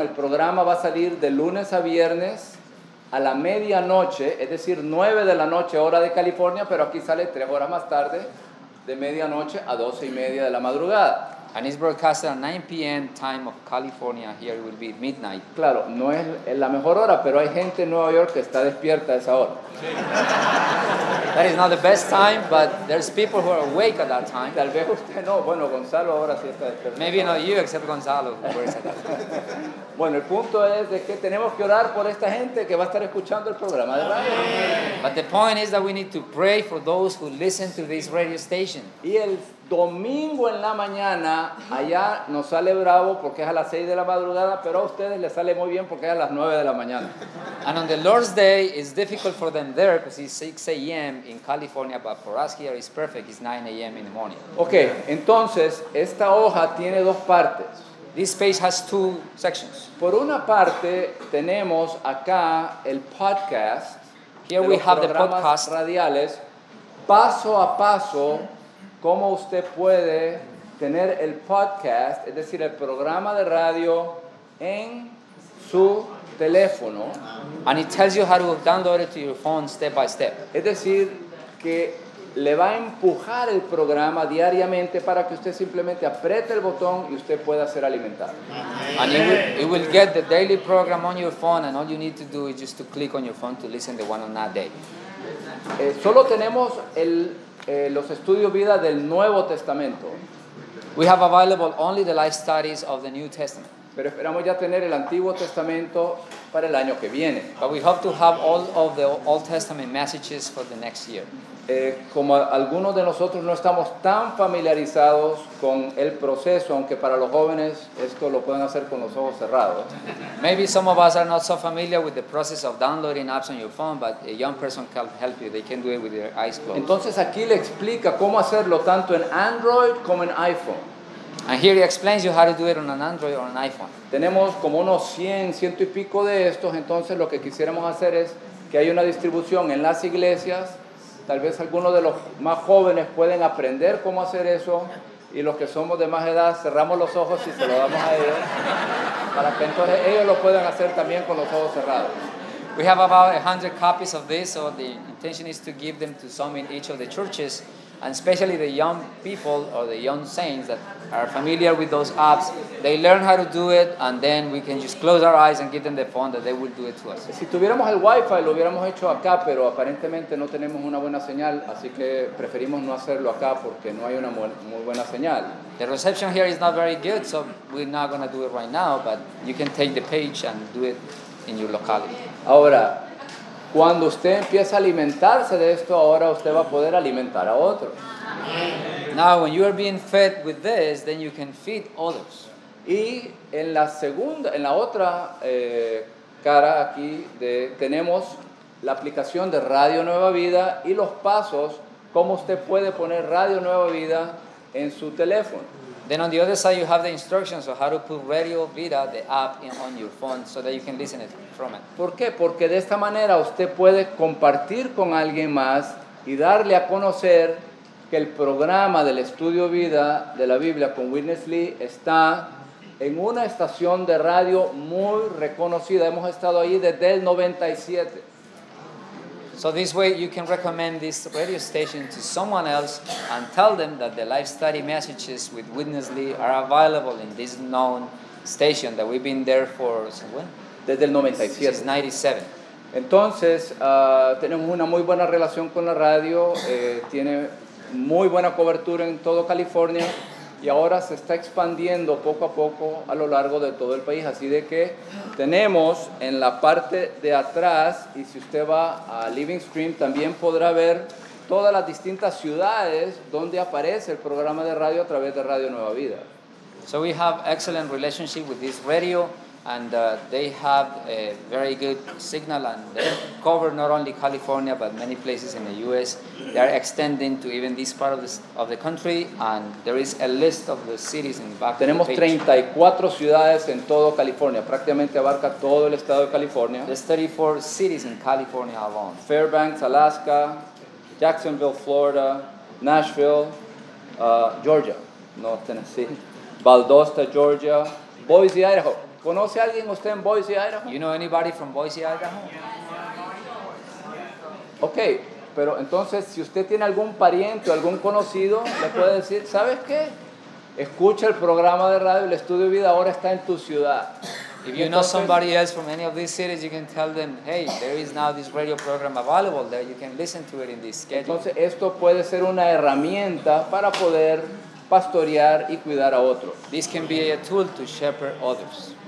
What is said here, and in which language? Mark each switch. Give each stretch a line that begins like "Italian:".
Spanish: El programa va a salir de lunes a viernes a la medianoche, es decir, 9 de la noche, hora de California, pero aquí sale 3 horas más tarde, de medianoche a 12 y media de la madrugada.
English: And it's broadcasted at 9 p.m. time of California. Here it will be midnight.
Spanish: Claro, no es la mejor hora, pero hay gente en Nueva York que está despierta a esa hora. Sí.
English: That is not the best time, but there's people who are awake at that time.
Spanish: Tal vez usted no. Bueno, Gonzalo ahora sí está despierto.
English: Maybe not you, except Gonzalo.
Spanish: Bueno, el punto es de que tenemos que orar por esta gente que va a estar escuchando el programa de radio.
English: But the point is that we need to pray for those who listen to this radio station.
Spanish: Y el domingo en la mañana, allá nos sale bravo porque es a las 6 de la madrugada, pero a ustedes les sale muy bien porque es a las 9 de la mañana.
English: And on the Lord's Day, it's difficult for them there because it's 6 a.m. in California, but for us here it's perfect, it's 9 a.m. in the morning.
Spanish: Okay, entonces, esta hoja tiene dos partes.
English: This page has two sections.
Spanish: Por una parte, tenemos acá el podcast.
English: Here we have the podcast.
Spanish: Radiales, paso a paso, cómo usted puede tener el podcast, es decir, el programa de radio en su teléfono.
English: And it tells you how to download it to your phone step by step.
Spanish: Es decir, que le va a empujar el programa diariamente para que usted simplemente apriete el botón y usted pueda ser alimentado.
English: And it will get the daily program on your phone and all you need to do is just to click on your phone to listen the one on that day.
Spanish: Solo tenemos el los estudios vida del Nuevo Testamento.
English: We have available only the life studies of the New Testament.
Spanish: Pero esperamos ya tener el Antiguo Testamento para el año que viene.
English: But we hope to have all of the Old Testament messages for the next year.
Spanish: Como algunos de nosotros no estamos tan familiarizados con el proceso, aunque para los jóvenes esto lo pueden hacer con los ojos cerrados.
English: Maybe some of us are not so familiar with the process of downloading apps on your phone, but a young person can help you. They can do it with their eyes closed.
Spanish: Entonces aquí le explica cómo hacerlo tanto en Android como en iPhone.
English: And here he explains you how to do it on an Android or an iPhone.
Spanish: Tenemos como unos 100, ciento y pico de estos. Entonces lo que quisiéramos hacer es que haya una distribución en las iglesias. Tal vez algunos de los más jóvenes pueden aprender cómo hacer eso y los que somos de más edad cerramos los ojos y se lo damos a ellos para que entonces ellos lo puedan hacer también con los ojos cerrados.
English: We have about 100 copies of this, so the intention is to give them to some in each of the churches And especially the young people or the young saints that are familiar with those apps, they learn how to do it, and then we can just close our eyes and give them the phone that they will do it to us.
Spanish: Si tuviéramos el Wi-Fi, lo hubiéramos hecho acá, pero aparentemente no tenemos una buena señal, así que preferimos no hacerlo acá porque no hay una muy buena señal.
English: The reception here is not very good, so we're not going to do it right now, but you can take the page and do it in your locality.
Spanish: Ahora, cuando usted empieza a alimentarse de esto, ahora usted va a poder alimentar a otros.
English: Now, when you are being fed with this, then you can feed others.
Spanish: Y en la segunda, en la otra cara aquí, tenemos la aplicación de Radio Nueva Vida y los pasos cómo usted puede poner Radio Nueva Vida en su teléfono.
English: Then on the other side, you have the instructions of how to put Radio Vida, the app, on your phone so that you can listen it from it.
Spanish: ¿Por qué? Porque de esta manera usted puede compartir con alguien más y darle a conocer que el programa del Estudio Vida de la Biblia con Witness Lee está en una estación de radio muy reconocida. Hemos estado ahí desde el 97.
English: So this way you can recommend this radio station to someone else and tell them that the life study messages with Witness Lee are available in this known station that we've been there for, so when?
Spanish: Desde el 97.
English: Since 97.
Spanish: Entonces, tenemos una muy buena relación con la radio, tiene muy buena cobertura en todo California y ahora se está expandiendo poco a poco a lo largo de todo el país. Así de que tenemos en la parte de atrás, y si usted va a Living Stream, también podrá ver todas las distintas ciudades donde aparece el programa de radio a través de Radio Nueva Vida.
English: So we have excellent relationship with this radio, and they have a very good signal, and they cover not only California, but many places in the U.S. They are extending to even this part of the country, and there is a list of the cities in the back.
Spanish: Tenemos
English: page.
Spanish: 34 ciudades en todo California, prácticamente abarca todo el estado de California.
English: There's 34 cities in California alone. Fairbanks, Alaska, Jacksonville, Florida, Nashville, Georgia, no Tennessee, Valdosta, Georgia, Boise, Idaho.
Spanish: ¿Conoce a alguien usted en Boise, Idaho?
English: You know anybody from Boise, Idaho?
Spanish: Ok, pero entonces si usted tiene algún pariente o algún conocido, le puede decir, ¿sabes qué? Escucha el programa de radio, el Estudio Vida ahora está en tu ciudad.
English: If you know somebody else from any of these cities, you can tell them, hey, there is now this radio program available there, you can listen to it in this schedule.
Spanish: Entonces esto puede ser una herramienta para poder pastorear y cuidar a otros.
English: This can be a tool to shepherd others.